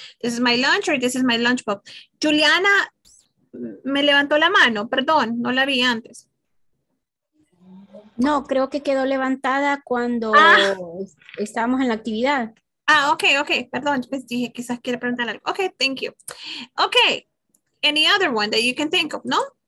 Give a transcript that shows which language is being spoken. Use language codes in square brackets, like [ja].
[en] This is my lunch or this is my lunchbox. [es] Juliana me levantó la mano, perdón, no la vi antes. No, creo que quedó levantada cuando estábamos en la actividad. Ah, ok, perdón, pues dije quizás quiere preguntar algo. [en] Ok, thank you. Ok, any other one that you can think of, ¿no?